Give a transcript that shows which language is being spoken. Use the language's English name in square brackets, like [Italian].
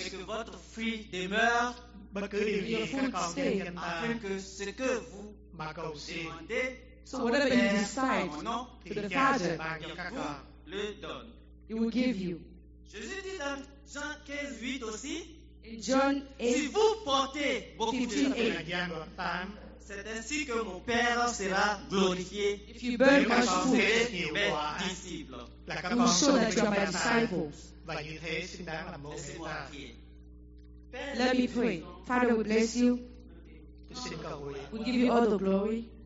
[French] et que votre fruit demeure. Afin que ce que vous demandez, [English] so whatever you decide, to the Father, [French] vous le donne. [English] He will give you. [French] Jésus dit dans Jean 15, 8 aussi, [English] John 8, [French] si vous portez beaucoup de fruit, c'est ainsi que mon Père sera glorifié. [English] If you bear much [French] fruit, mes disciples, [English] he will show that you are my disciples. [French] Laissez-moi prier. [English] Let me pray. Father, we bless you. We give you all the glory.